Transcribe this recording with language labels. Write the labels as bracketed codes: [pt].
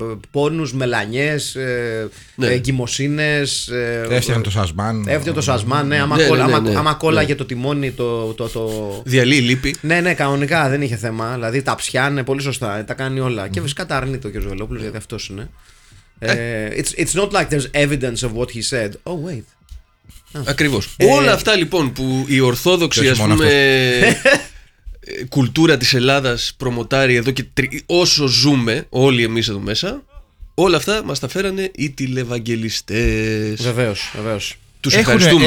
[el] Πόνους, μελανιές, εγκυμοσύνες. Έφτιαχνε το σασμάν. Έφτιαχνε το σασμάν, ναι. Άμα κόλλαγε το τιμόνι, το... Διαλύει λύπη. Ναι, ναι, κανονικά δεν είχε θέμα. Δηλαδή τα ψιάνε πολύ σωστά. Τα κάνει όλα. Και φυσικά τα αρνεί το κ. Βελόπουλος, γιατί αυτό είναι. [en] It's not like there's evidence of what he said. Oh, wait. [el] Ακριβώς. Όλα αυτά λοιπόν που η ορθόδοξη, ας πούμε, κουλτούρα της Ελλάδας προμοτάρει εδώ και όσο ζούμε όλοι εμείς εδώ μέσα, όλα αυτά μας τα φέρανε οι τηλευαγγελιστές. Βεβαίως, βεβαίως. Τους ευχαριστούμε.